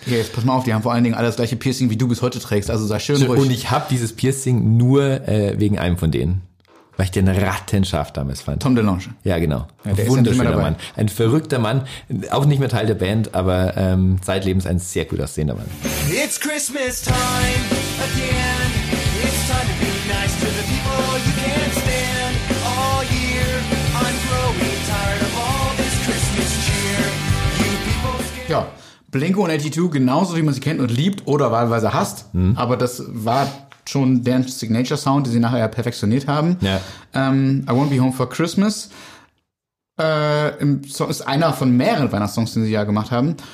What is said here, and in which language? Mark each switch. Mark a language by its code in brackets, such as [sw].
[de] Ja, jetzt pass mal auf, die haben vor allen Dingen alle das gleiche Piercing, wie du bis heute trägst. Also sei schön ruhig. Und ich habe dieses Piercing nur wegen einem von denen. Weil ich den rattenscharf damals fand. Tom DeLonge. Ja, genau. Ja, wunderschöner Mann. Ein verrückter Mann. Auch nicht mehr Teil der Band, aber zeitlebens ein sehr gut aussehender Mann. [en] It's Christmas time again. It's time to be nice to the people you can't stand. All year I'm growing tired of all this Christmas cheer. You people scared. [de] Ja, Blinko und 82, genauso wie man sie kennt und liebt oder wahlweise hasst. Mhm. Aber das war schon deren Signature-Sound, den sie nachher ja perfektioniert haben. Ja. I Won't Be Home for Christmas ist einer von mehreren Weihnachtssongs, den sie ja gemacht haben.